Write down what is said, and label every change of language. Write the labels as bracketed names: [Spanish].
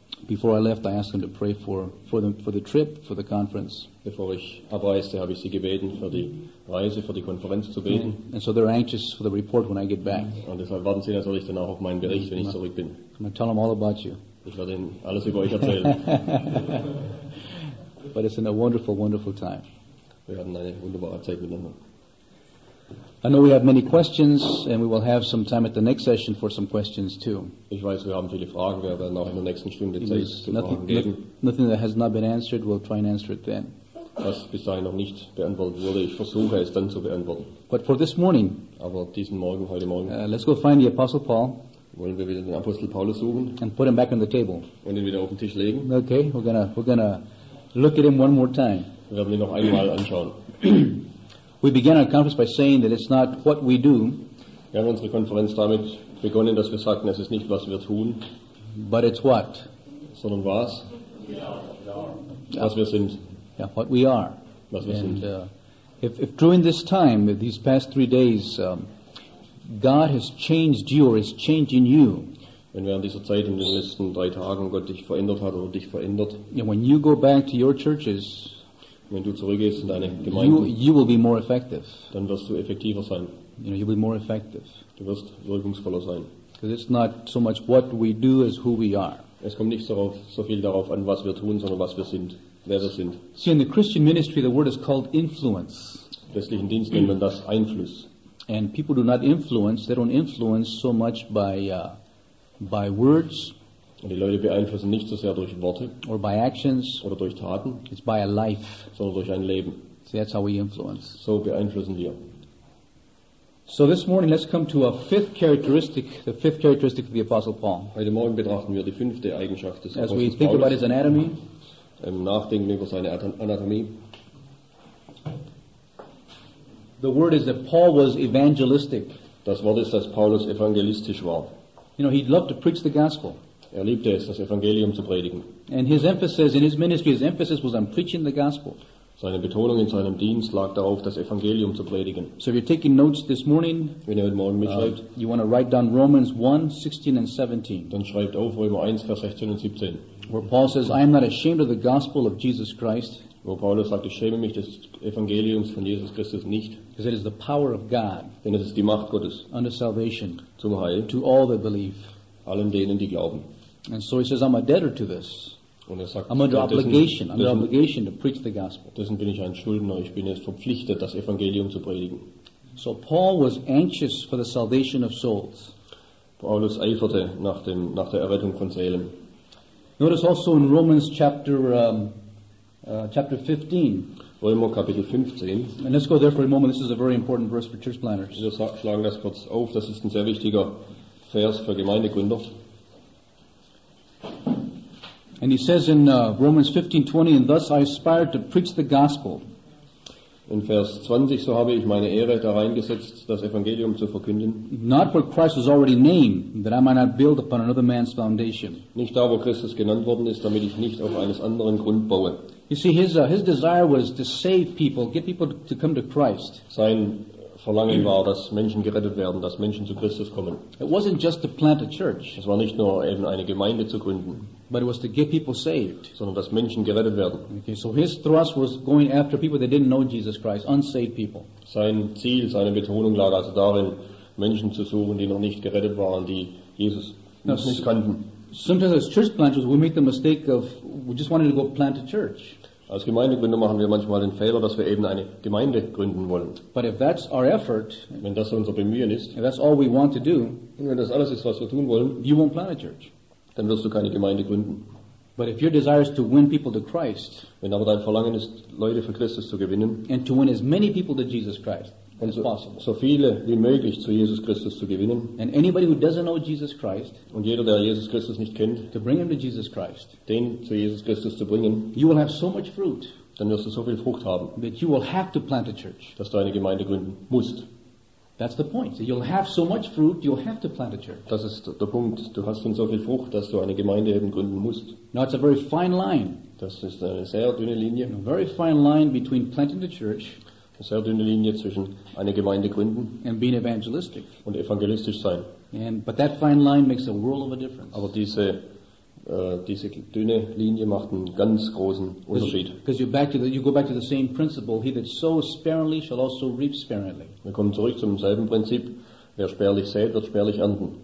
[English] Before I left, I asked them to pray for the trip, for the conference. [German] Bevor ich abreiste, habe ich sie gebeten, für die Reise, für die Konferenz zu beten. [English] And so they're anxious for the report when I get back. [German] Und deshalb warten sie natürlich dann auch auf meinen Bericht, wenn ich zurück bin. [English] I'm going to tell them all about you. [German] Ich werde ihnen alles über euch erzählen. [English] But it's been a wonderful, wonderful time. [German] Wir hatten eine wunderbare Zeit miteinander. [English] I know we have many questions, and we will have some time at the next session for some questions too. [German] Ich weiß, wir haben viele Fragen. Wir werden auch in der nächsten Stunde Zeit zu Fragen geben. [English] Nothing that has not been answered, we'll try and answer it then. [German] Was bis dahin noch nicht beantwortet wurde, ich versuche es dann zu beantworten. [English] But for this morning, [German] aber diesen Morgen, heute Morgen, [English] let's go find the Apostle Paul. [German] Wollen wir wieder den Apostel Paulus suchen? [English] And put him back on the table. [German] Und ihn wieder auf den Tisch legen? [English] Okay, we're gonna look at him one more time. [German] Wir werden ihn noch einmal anschauen. [English] We began our conference by saying that it's not what we do. [German] Wir haben unsere Konferenz damit begonnen, dass wir sagten, es ist nicht, was wir tun. [English] But it's what? [German] Sondern was? Was wir sind. [English] Yeah, what we are. [German] Was wir sind. [English] If during this time, these past 3 days, God has changed you or is changing you. [German] Wenn während dieser Zeit in den letzten 3 Tagen Gott dich verändert hat oder dich verändert. [English] Yeah, when you go back to your churches. [German] Wenn du zurückgehst in deine Gemeinde, [English] you will be more effective. [German] Dann wirst du effektiver sein. [English] You know, you'll be more effective. [German] Du wirst wirkungsvoller sein. [English] Because it's not so much what we do as who we are. [German] Es kommt nicht so viel darauf an, was wir tun, sondern was wir sind, wer wir sind. [English] See, in the Christian ministry, the word is called influence. [German] Im christlichen Dienst nennt man das Einfluss. [English] And people do not influence. They don't influence so much by words. [German] Und die Leute beeinflussen nicht so sehr durch Worte [English] or by actions, [German] oder durch Taten, [English] it's by a life. [German] Sondern durch ein Leben. [English] See, that's how we influence. [German] So beeinflussen wir. [English] So this morning let's come to a fifth characteristic, the fifth characteristic of the Apostle Paul. [German] Heute Morgen betrachten wir die fünfte Eigenschaft des Apostels Paulus. [English] As we think about his anatomy. [German] Nachdenken über seine Anatomie. [English] The word is that Paul was evangelistic. [German] Das Wort ist, dass Paulus evangelistisch war. [English] You know, he loved to preach the gospel. [German] Er liebte es, das Evangelium zu predigen. [English] And his emphasis in his ministry, his emphasis was on preaching the gospel. [German] Seine Betonung in seinem Dienst lag darauf, das Evangelium zu predigen. [English] So if you're taking notes this morning, [German] wenn ihr heute Morgen mitschreibt, [English] you want to write down Romans 1, 16 and 17. [German] Dann schreibt auf Römer 1, Vers 16 und 17. [English] Where Paul says, I am not ashamed of the gospel of Jesus Christ. [German] Wo Paulus sagt, ich schäme mich des Evangeliums von Jesus Christus nicht. [English] Because it is the power of God. [German] Denn es ist die Macht Gottes. [English] Unto salvation. [German] Zum Heil. [English] To all that believe. [German] Allen denen, die glauben. [English] And so he says, I'm a debtor to this. [German] Und er sagt, [English] I'm under obligation. I'm under obligation to preach the gospel. [German] Deswegen bin ich ein Schuldner. Ich bin jetzt verpflichtet, das Evangelium zu predigen. [English] So Paul was anxious for the salvation of souls. [German] Paulus eiferte nach der Errettung von Seelen. [English] Notice also in Romans chapter 15. [German] Römer Kapitel 15. [English] And let's go there for a moment. This is a very important verse for church planners. [German] Wir schlagen das kurz auf. Das ist ein sehr wichtiger Vers für Gemeindegründer. [English] And he says in Romans 15:20, and thus I aspired to preach the gospel. [German] In Vers 20, so habe ich meine Ehre da reingesetzt, das Evangelium zu verkünden. [English] Not where Christ is already named, that I might not build upon another man's foundation. [German] Nicht da, wo Christus genannt worden ist, damit ich nicht auf eines anderen Grund baue. [English] You see, his desire was to save people, get people to come to Christ. [German] Sein Verlangen war, dass Menschen gerettet werden, dass Menschen zu Christus kommen. [English] It wasn't just to plant a church. [German] Es war nicht nur eben eine Gemeinde zu gründen. [English] But it was to get people saved. [German] Sondern dass Menschen gerettet werden. [English] Okay, so his thrust was going after people that didn't know Jesus Christ, unsaved people. [German] Sein Ziel, seine Betonung lag also darin, Menschen zu suchen, die noch nicht gerettet waren, die Jesus nicht kannten. [English] Sometimes as church planters, we make the mistake of we just wanted to go plant a church. [German] Als Gemeindegründer machen wir manchmal den Fehler, dass wir eben eine Gemeinde gründen wollen. [English] But if that's our effort, [German] wenn das unser Bemühen ist, [English] if that's all we want to do, [German] und wenn das alles ist, was wir tun wollen, [English] you won't plant a church. [German] Dann wirst du keine Gemeinde gründen. [English] But if your desire is to win people to Christ, [German] wenn aber dein Verlangen ist, Leute für Christus zu gewinnen, [English] and to win as many people to Jesus Christ as possible, [German] so viele wie möglich zu Jesus Christus zu gewinnen, [English] and anybody who doesn't know Jesus Christ, [German] und jeder, der Jesus Christus nicht kennt, [English] to bring him to Jesus Christ, [German] den zu Jesus Christus zu bringen, [English] you will have so much fruit, [German] dann wirst du so viel Frucht haben, [English] that you will have to plant a church, [German] dass du eine Gemeinde gründen musst. [English] That's the point. So you'll have so much fruit, you'll have to plant a church. [German] Das ist der Punkt. Du hast schon so viel Frucht, dass du eine Gemeinde eben gründen musst. [English] Now it's a very fine line. [German] Das ist eine sehr dünne Linie. [English] A very fine line between planting the church. [German] Eine sehr dünne Linie zwischen eine Gemeinde gründen [English] and being evangelistic. [German] Und evangelistisch sein. [English] But that fine line makes a world of a difference. [German] Aber diese dünne Linie macht einen ganz großen Unterschied. [English] Because you go back to the same principle, he that sows sparingly shall also reap sparingly. [German] Wir kommen zurück zum selben Prinzip, wer spärlich sät, wird spärlich ernten.